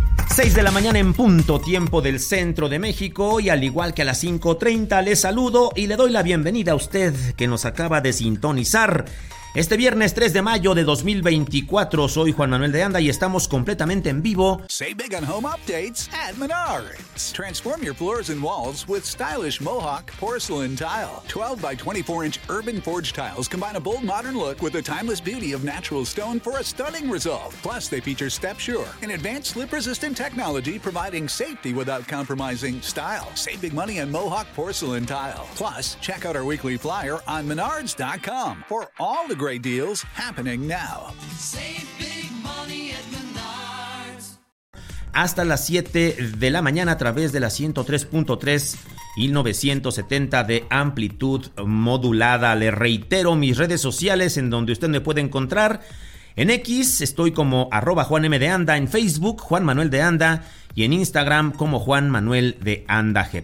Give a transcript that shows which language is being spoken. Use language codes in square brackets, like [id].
[es] 6 de la mañana en punto, tiempo del centro de México, y al igual que a las 5:30 le saludo y le doy la bienvenida a usted que nos acaba de sintonizar. Este viernes 3 de mayo de 2024, soy Juan Manuel de Anda y estamos completamente en vivo. [en] Save big on home updates at Menards. Transform your floors and walls with stylish Mohawk porcelain tile. 12 by 24 inch urban forged tiles combine a bold modern look with the timeless beauty of natural stone for a stunning result. Plus, they feature StepSure, an advanced slip-resistant technology providing safety without compromising style. Save big money on Mohawk porcelain tile. Plus, check out our weekly flyer on Menards.com for all the great deals happening now. Save big money at Menards. [es] Hasta las 7 de la mañana a través de la 103.3 y 970 de amplitud modulada. Le reitero mis redes sociales en donde usted me puede encontrar. En X estoy como @juanmdeanda, en Facebook Juan Manuel de Anda y en Instagram como Juan Manuel de Anda G.